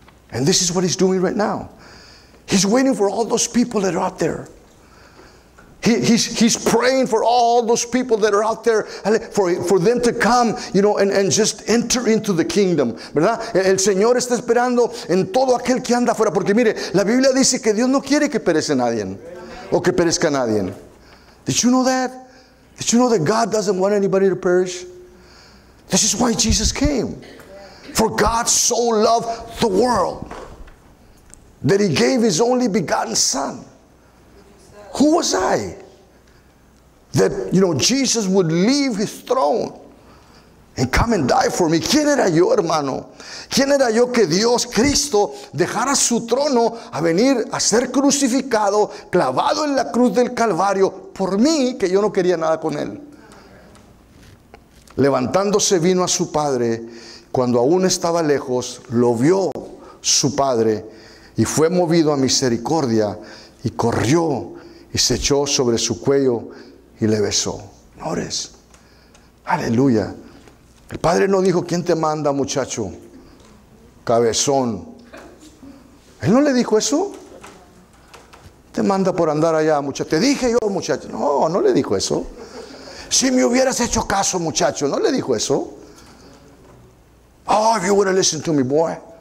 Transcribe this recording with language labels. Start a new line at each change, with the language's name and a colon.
English: And this is what he's doing right now. He's waiting for all those people that are out there. He's praying for all those people that are out there for them to come, you know, and just enter into the kingdom,
Spanish: ¿verdad? El Señor está esperando en todo aquel que anda afuera. Porque mire, la Biblia dice que Dios no quiere que perece nadie o que perezca nadie.
English: Did you know that? Did you know that God doesn't want anybody to perish? This is why Jesus came. For God so loved the world that he gave his only begotten son. Who was I that, you know, Jesus would leave his throne and come and die for me?
Spanish: ¿Quién era yo, hermano? ¿Quién era yo que Dios, Cristo, dejara su trono a venir a ser crucificado, clavado en la cruz del Calvario por mí, que yo no quería nada con él? Levantándose vino a su padre. Cuando aún estaba lejos, lo vio su padre y fue movido a misericordia y corrió y se echó sobre su cuello y le besó. Nores. Aleluya. El padre no dijo, ¿quién te manda, muchacho? Cabezón. Él no le dijo eso. Te manda por andar allá, muchacho. Te dije yo, muchacho. No, no le dijo eso. Si me hubieras hecho caso, muchacho, no le dijo eso.
English: Oh, if you would have listened to me, boy.